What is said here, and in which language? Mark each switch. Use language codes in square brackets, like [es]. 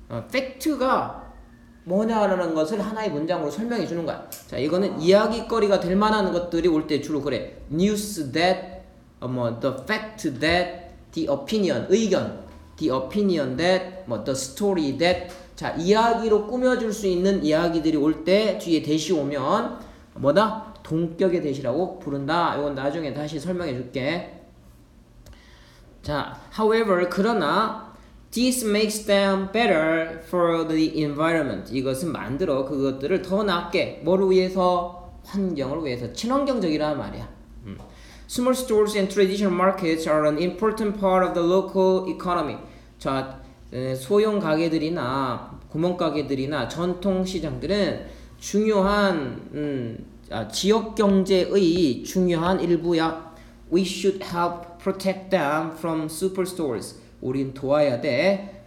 [ko] 팩트가 뭐냐라는 것을 하나의 문장으로 설명해 주는 거야. 자 이거는 이야기거리가 될 만한 것들이 올 때 주로 그래. [en] News that, 뭐 the fact that, the opinion, 의견, the opinion that, 뭐 the story that. [ko] 자 이야기로 꾸며줄 수 있는 이야기들이 올 때 뒤에 대시 오면 뭐다? 동격의 대시라고 부른다. 이건 나중에 다시 설명해 줄게. 자 [en] however [ko] 그러나 [en] This makes them better for the environment. [ko] 이것은 만들어 그것들을 더 낫게 뭐를 위해서? 환경을 위해서. 친환경적이라는 말이야. [en] Small stores and traditional markets are an important part of the local economy. [ko] 자, 소형 가게들이나 구멍 가게들이나 전통 시장들은 중요한 지역 경제의 중요한 일부야. [en] We should help protect them from superstores. [ko] 우린 도와야 돼.